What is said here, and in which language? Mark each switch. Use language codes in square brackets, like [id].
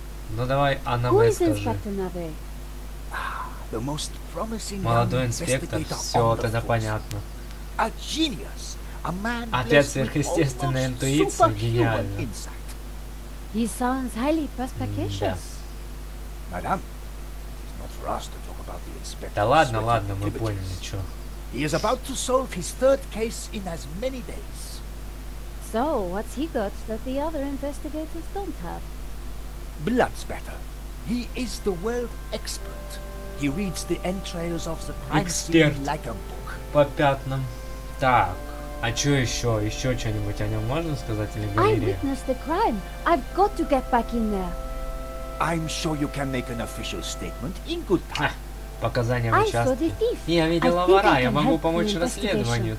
[ru] Ну давай, Анаве, скажи. [en] The most promising [ru] молодой инспектор, все, тогда понятно. [en] A genius, a man [ru] опять сверхъестественная интуиция, гениально. [en] He sounds highly perspicacious. Мадам, it's not for us to talk about the inspector. [ru] Да ладно, ладно, мы поняли, чё. [en] He is about to solve his third case in as many days. So, what's he got that the other investigators don't have? Blood spatter. He is the world expert. He reads the entrails of the crime scene like a book. [ru] По пятнам. Так, а чё ещё? Ещё что-нибудь о нём можно сказать или [en] говорить? I witnessed the crime. I've got to get back in there. I'm sure you can make an official statement in good time. [ru] Показания в участке. Я видела вора, я могу помочь расследованию.